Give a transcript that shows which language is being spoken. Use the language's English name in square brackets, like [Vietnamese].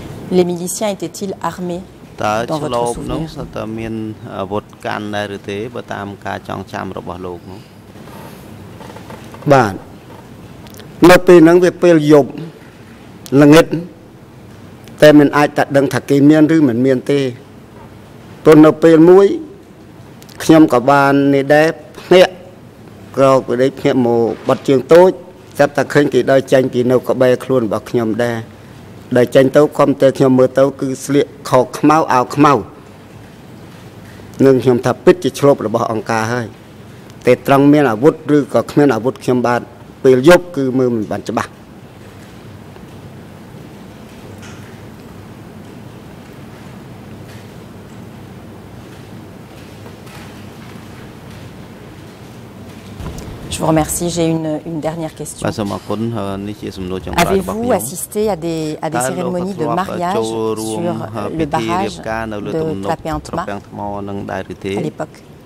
[French] Les miliciens étaient-ils armés [Khmer] តើជាលោកនោះតើមានអាវុធកាន់ដែរឬទេបើតាមការចងចាំរបស់លោកនោះ បាទនៅពេលហ្នឹងវាពេលយប់ល្ងិតតែមិនអាចតែដឹងថាគេមានឬមិនមានទេព្រោះនៅពេលមួយខ្ញុំក៏បាននេះដែរភ្នាក់ក្រោកពីភ្នាក់មកបាត់ជើងតូចចាប់តែឃើញគេដើរចេញពីនៅក្បែរខ្លួនរបស់ខ្ញុំដែរដើរចេញទៅគំតើខ្ញុំមើលទៅគឺស្លៀកខោខ្មៅអាវខ្មៅ នឹងខ្ញុំថាពិតជាឆ្លប់របស់អង្គការហើយតែត្រង់មានអាវុធឬក៏គ្មានអាវុធខ្ញុំបាទពេលយប់គឺមើលមិនបានច្បាស់ [French] Je vous remercie. J'ai une dernière question. Avez-vous assisté à des cérémonies de mariage sur le barrage de Tlapeantma à l'époque?